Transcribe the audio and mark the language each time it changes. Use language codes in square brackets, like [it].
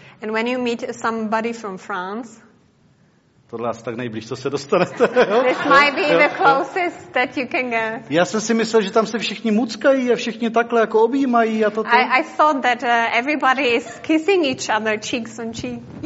[en] And when you meet somebody from France. [cs] Tohle asi tak nejblíž, co se dostanete. [en] This might be the closest that you can get. [cs] Já jsem si myslel, že tam se všichni muckají a všichni takhle jako objímají a toto. [en] I thought that everybody is kissing each other cheeks on cheek.